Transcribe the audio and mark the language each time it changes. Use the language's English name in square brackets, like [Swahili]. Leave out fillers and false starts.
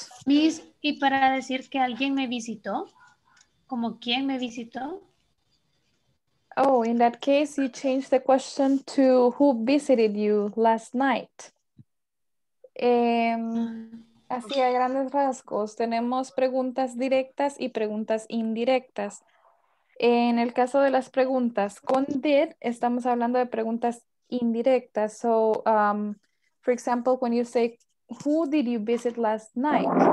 [Spanish] Miss, y para decir que alguien me visitó, como quién me visitó? [English] Oh, in that case, you changed the question to who visited you last night. [Spanish] Así a grandes rasgos, tenemos preguntas directas y preguntas indirectas. En el caso de las preguntas con did, estamos hablando de preguntas indirectas. [English] So, for example, when you say, who did you visit last night?